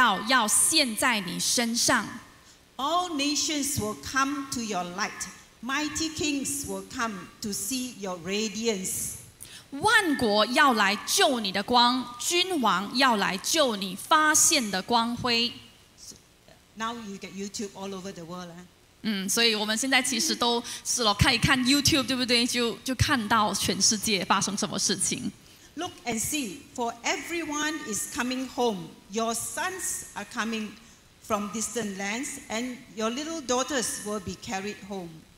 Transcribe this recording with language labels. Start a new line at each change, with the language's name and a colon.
Chinese: 在第二节，看哪，黑暗遮盖大地，幽暗遮盖万民，就像刚才牧师所说的，耶和华却要显现照耀你，他的荣耀要现在你身上。
English: All nations will come to your light. Mighty kings will come to see your radiance.
Chinese: 万国要来救你的光，君王要来救你发现的光辉。
English: Now you get YouTube all over the world, huh?
Chinese: 所以我们现在其实都是了，看一看 YouTube， 对不对？就看到全世界发生什么事情。
English: Look and see, for everyone is coming home. Your sons are coming from distant lands, and your little daughters will be carried home.